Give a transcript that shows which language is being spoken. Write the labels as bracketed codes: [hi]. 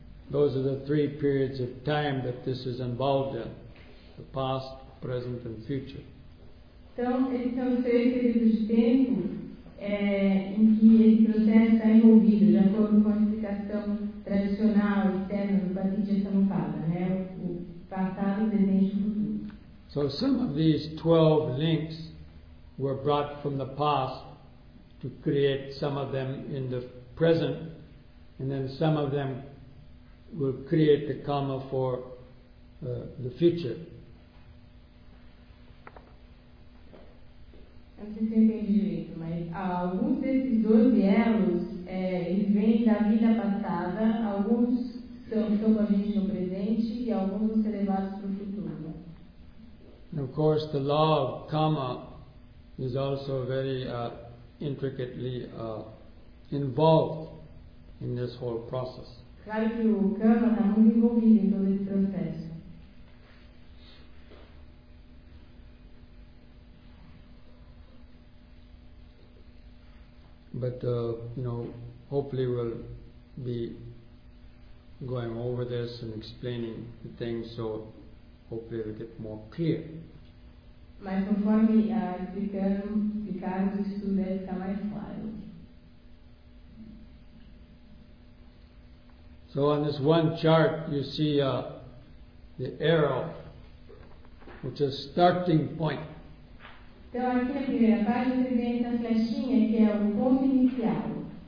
[en] Those are the three periods of time that this is involved in: the past, present, and future. [pt] Então, esses são os três períodos de tempo em que esse processo está envolvido, de acordo com a explicação tradicional externa do Paticca Samuppada, né? O passado, o presente e o futuro. [en] So some of these 12 links were brought from the past to create some of them in the present, and then some of them will create the karma for the future. [pt] Não sei se eu entendi direito, mas alguns desses 12 elos eles vêm da vida passada, alguns estão com a gente no presente e alguns vão ser levados para o futuro. [en] And of course, the law of karma is also very intricately involved in this whole process. [pt] Claro que o karma está muito envolvido em todo esse processo. [en] But hopefully we'll be going over this and explaining the things, so hopefully it'll get more clear. [pt] Mas conforme explicarmos, isso deve ficar mais claro. [en] So on this one chart you see the arrow, which is starting point. [pt] Então aqui na primeira página você vê essa flechinha que é o ponto inicial.